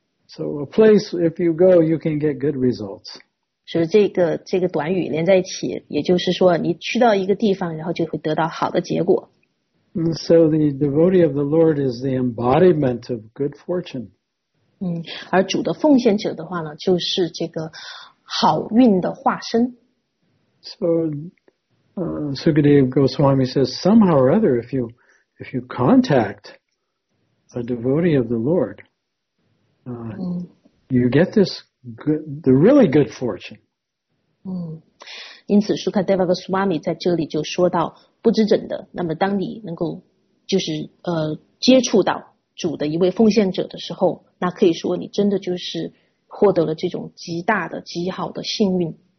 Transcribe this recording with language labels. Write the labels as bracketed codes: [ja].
[en] So a place if you go, you can get good results. [zh] 所以这个短语连在一起，也就是说你去到一个地方，然后就会得到好的结果。 [en] And so the devotee of the Lord is the embodiment of good fortune. [zh] 而主的奉献者的话呢，就是这个好运的化身。 [en] So Sukadev Goswami says, somehow or other, if you contact a devotee of the Lord, you get this the really good fortune. [zh] 因此 Sukadeva Goswami 在这里就说到不知怎的，那么当你能够就是接触到主的一位奉献者的时候，那可以说你真的就是获得了这种极大的极好的幸运。